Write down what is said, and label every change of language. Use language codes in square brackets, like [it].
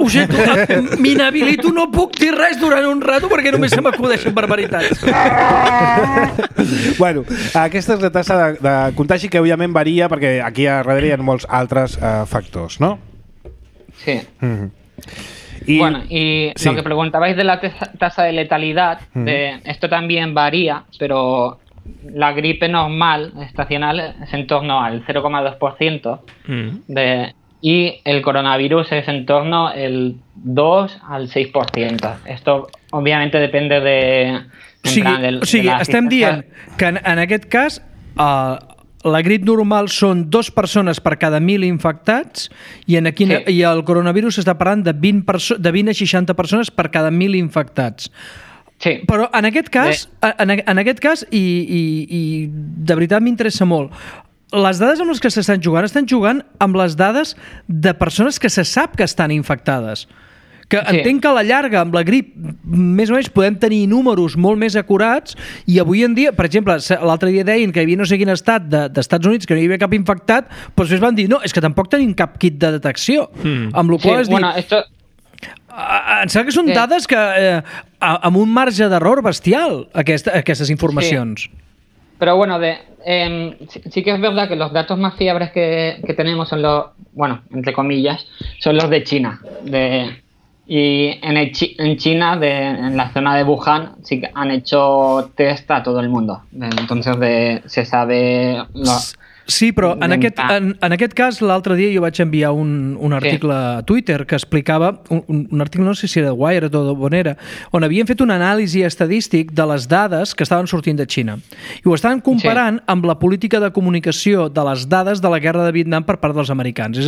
[ca] Ho sento, m'inhabilito, no puc dir res durant un rato perquè només se m'acudeixen barbaritats. Bueno, aquesta és la tasa de contagi que òbviament varia perquè aquí a darrere hi ha molts altres... factors, no? [es] Sí. Mm-hmm. Y, bueno, y sí. Lo que preguntabais de la tasa de letalidad, esto también varía, pero la gripe normal estacional es en torno al 0,2%. Y el coronavirus es en torno al 2 al 6%. Esto obviamente depende de... [ca] Estem dient que en aquest cas la grip normal són 2 persones per cada 1.000 infectats i en aquí, sí. I el coronavirus està parlant de 20, de 20 a 60 persones per cada 1.000 infectats. Sí. Però en aquest cas, en aquest cas i de veritat m'interessa molt, les dades amb les que s'estan jugant, estan jugant amb les dades de persones que se sap que estan infectades. Que entenc que a la llarga, amb la grip, més o menys podem tenir números molt més acurats i avui en dia, per exemple, l'altre dia deien que hi havia no sé quin estat d'Estats Units, que no hi havia cap infectat, però després van dir, no, és que tampoc tenim cap kit de detecció. Amb la qual cosa em sembla que són dades que amb un marge d'error bestial, aquestes informacions. Sí. Però [es] bueno, sí que és verdad que los datos más fiables que tenemos son los, bueno, entre comillas, son los de China, de... Y en China, en la zona de Wuhan, sí que han hecho test a todo el mundo. Entonces se sabe... [ca] Sí, però en aquest cas, l'altre dia jo vaig enviar un article a Twitter que explicava, un article no sé si era de Wire o de Bonera, on havien fet una anàlisi estadístic de les dades que estaven sortint de Xina. I ho estaven comparant amb la política de comunicació de les dades de la guerra de Vietnam per part dels americans.